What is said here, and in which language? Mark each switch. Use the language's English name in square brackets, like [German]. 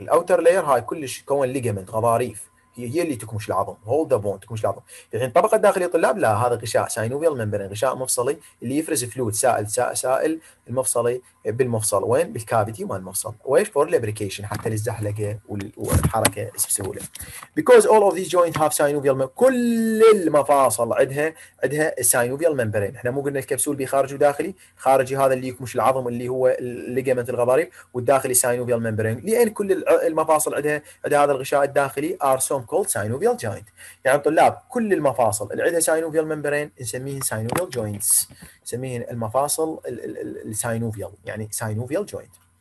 [Arabic] الاوتر لاير هاي كلش كون ليجمنت, غضاريف, هي اللي تكمش العظم, [English] hold the bone, [Arabic] تكمش العظم. الحين الطبقة الداخلية طلاب لا, هذا غشاء synovial membrane, غشاء مفصلي اللي يفرز فلود سائل, سائل المفصلي بالمفصل. وين؟ بالكافيتي مال المفصل. ويش [English] for lubrication, [Arabic] حتى للزحلقة والحركة بسهولة. [English] Because all of these joints have synovial membrane, [Arabic] كل المفاصل عندها [English] synovial membrane. [Arabic] احنا مو قلنا الكبسول بخارجي وداخلي, خارجي هذا اللي يكمش العظم اللي هو ligament الغضاريف, والداخلي synovial membrane, لان كل المفاصل عندها هذا الغشاء الداخلي [English] called synovial joint. [Arabic] يعني طلاب كل المفاصل اللي عندها synovial membrane نسميه synovial joints, نسميه المفاصل ال synovial, يعني synovial joint.